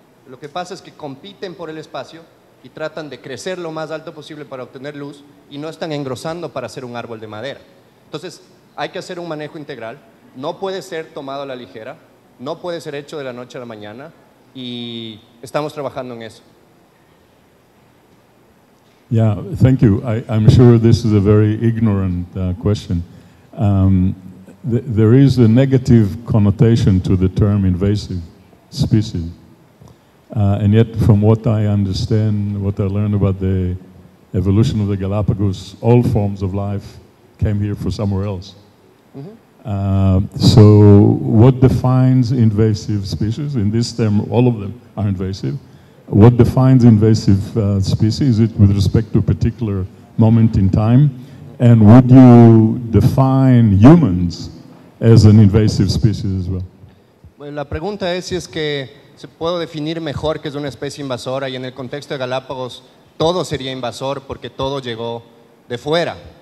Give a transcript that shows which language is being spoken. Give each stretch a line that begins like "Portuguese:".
Spanish: Lo que pasa es que compiten por el espacio y tratan de crecer lo más alto posible para obtener luz y no están engrosando para hacer un árbol de madera. Entonces, hay que hacer un manejo integral. No puede ser tomado a la ligera, no puede ser hecho de la noche a la mañana y estamos trabajando en eso.
English: Yeah, thank you. I'm sure this is a very ignorant question. There is a negative connotation to the term invasive species. And yet, from what I understand, what I learned about the evolution of the Galapagos, all forms of life came here from somewhere else. Mm-hmm. So what defines invasive species? In this term, all of them are invasive. What defines invasive species? Is it with respect to a particular moment in time? And would you define humans as an invasive species as well?
Spanish: Bueno, la pregunta es si es que se puede definir mejor que es una especie invasora y en el contexto de Galápagos todo sería invasor porque todo llegó de fuera.